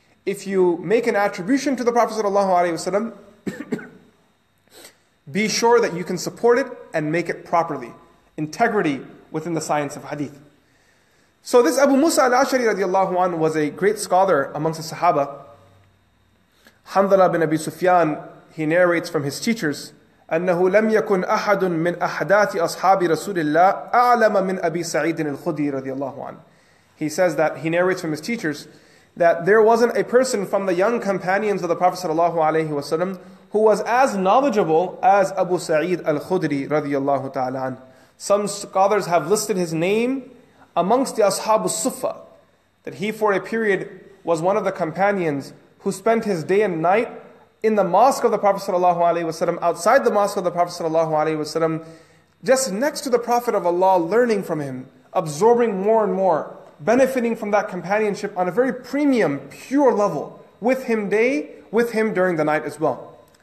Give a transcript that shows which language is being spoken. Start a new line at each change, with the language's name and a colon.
English: If you make an attribution to the Prophet sallallahu alayhi wasallam, be sure that you can support it and make it properly. Integrity within the science of hadith. So this Abu Musa al-Ash'ari radiallahu anhu was a great scholar amongst the Sahaba. Hamdala bin Abi Sufyan, he narrates from his teachers,
Arabic: أَنَّهُ لَمْ يَكُنْ أَحَدٌ مِّنْ أَحْدَاثِ أَصْحَابِ رَسُولِ اللَّهِ أَعْلَمَ مِنْ أَبِي سَعِيدٍ الْخُدْرِي رَضِيَ اللَّهُ عَنْهُ.
English: He says that, he narrates from his teachers, that there wasn't a person from the young companions of the Prophet sallallahu alayhi wasallam who was as knowledgeable as Abu Sa'id al-Khudri radiyallahu ta'ala an. Some scholars have listed his name amongst the Ashab al-Suffa, that he for a period was one of the companions who spent his day and night in the mosque of the Prophet sallallahu alayhi wasallam, outside the mosque of the Prophet sallallahu alayhi wasallam, just next to the Prophet of Allah, learning from him, absorbing more and more, benefiting from that companionship on a very premium, pure level, with him day, with him during the night as well.